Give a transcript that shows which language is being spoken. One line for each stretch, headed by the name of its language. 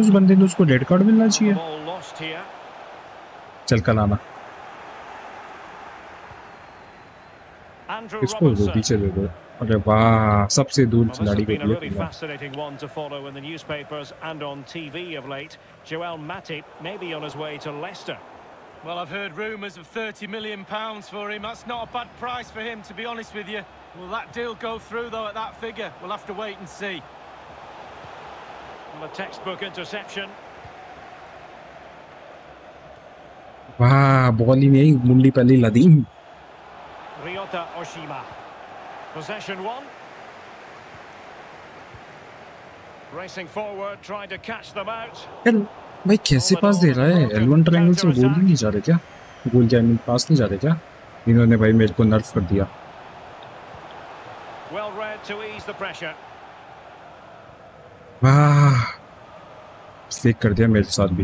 Hindi: उस बंदे ने उसको रेड कार्ड मिलना चाहिए. चल कल आना. इसको दो पीछे दे दो. अरे वाह सबसे दूर खिलाड़ी के लिए.
English: Joel Matip may be on his way to Leicester. Well, I've heard rumors of £30 million for him. That's not a bad price for him, to be honest with you. Will that deal go through though at that figure? We'll have to wait and see. A textbook interception.
Hindi: वाह ball ही नहीं मुंडी पहले लदीन.
English: Ryota Oshima. Possession one. Racing forward, trying to catch them out.
Hindi: भाई कैसे पास दे रहा है? L1 triangle से गोल नहीं जा रहे क्या? गोल जाने पास नहीं जा रहे क्या? इन्होंने भाई मेरे को नर्फ कर दिया.
English: Well read to ease the pressure.
Hindi: वाह फेक कर दिया मेरे साथ भी.